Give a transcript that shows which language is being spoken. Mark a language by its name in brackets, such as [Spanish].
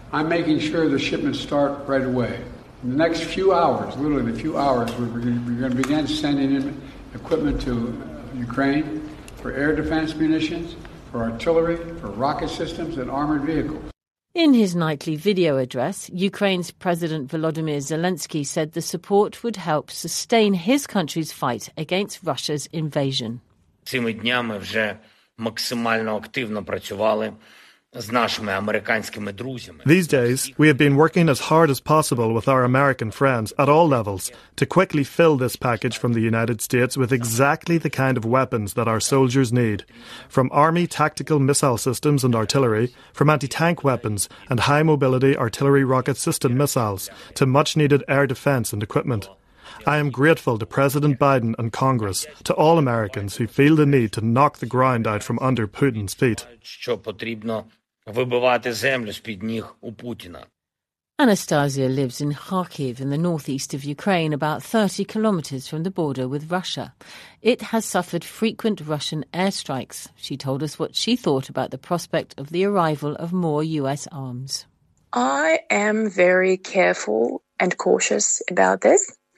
[English] I'm making sure the shipments start right away. In the next few hours, literally in a few hours, we're going to begin sending in equipment to Ukraine for air defense munitions, for artillery, for rocket systems and armored vehicles. In his nightly video address, Ukraine's President Volodymyr Zelensky said the support would help sustain his country's fight against Russia's invasion. [Ukrainian] Цими днями вже максимально активно працювали з нашими американськими друзями. [English] These days, we have been working as hard as possible with our American friends at all levels to quickly fill this package from the United States with exactly the kind of weapons that our soldiers need, from army tactical missile systems and artillery, from anti-tank weapons and high-mobility artillery rocket system missiles, to much-needed air defense and equipment. I am grateful to President Biden and Congress, to all Americans who feel the need to knock the ground out from under Putin's feet. [Ukrainian] Що потрібно вибивати землю з-під ніг у Путіна. [English] Anastasia lives in Kharkiv in the northeast of Ukraine, about 30 kilometers from the border with Russia. It has suffered frequent Russian airstrikes. She told us what she thought about the prospect of the arrival of more U.S. arms. I am very careful and cautious about this.